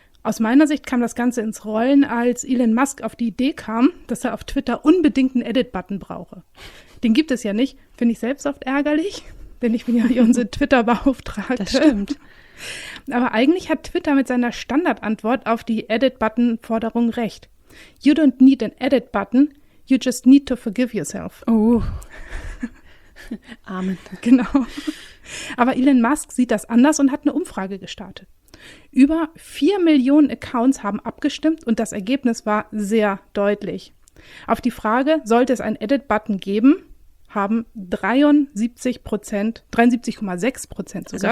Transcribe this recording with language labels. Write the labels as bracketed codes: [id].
[de] Aus meiner Sicht kam das Ganze ins Rollen, als Elon Musk auf die Idee kam, dass er auf Twitter unbedingt einen Edit-Button brauche. Den gibt es ja nicht, finde ich selbst oft ärgerlich, denn ich bin ja hier unsere Twitter-Beauftragte. Das stimmt. Aber eigentlich hat Twitter mit seiner Standardantwort auf die Edit-Button-Forderung recht. [en] You don't need an Edit-Button, you just need to forgive yourself. [de] Oh. Amen. Genau. Aber Elon Musk sieht das anders und hat eine Umfrage gestartet. Über 4 Millionen Accounts haben abgestimmt und das Ergebnis war sehr deutlich. Auf die Frage, sollte es einen Edit-Button geben, haben 73,6% sogar.